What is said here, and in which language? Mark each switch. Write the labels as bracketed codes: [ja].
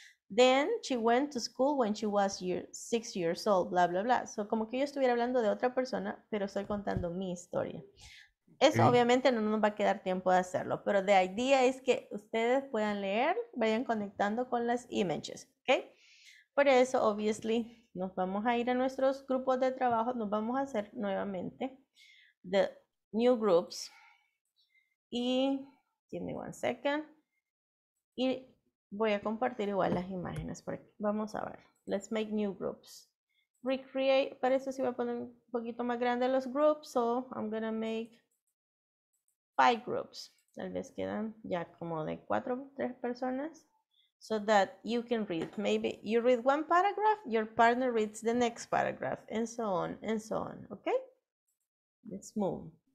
[en] Then she went to school when she was 6 years old, bla, bla, bla. [es] So como que yo estuviera hablando de otra persona, pero estoy contando mi historia. Eso okay. Obviamente no nos va a quedar tiempo de hacerlo, pero [en] the idea [es] es que ustedes puedan leer, vayan conectando con las images, ¿ok? Por eso, obviously, nos vamos a ir a nuestros grupos de trabajo, nos vamos a hacer nuevamente [en] the new groups. Y, give me one second. [es] Y voy a compartir igual las imágenes por aquí. Vamos a ver. [en] Let's make new groups. Recreate, [es] para eso sí voy a poner un poquito más grande los groups, [en] so I'm gonna make 5 groups. [es] Tal vez quedan ya como de 4 o 3 personas. [en] So that you can read. Maybe you read one paragraph, your partner reads the next paragraph, and so on, okay? Let's move.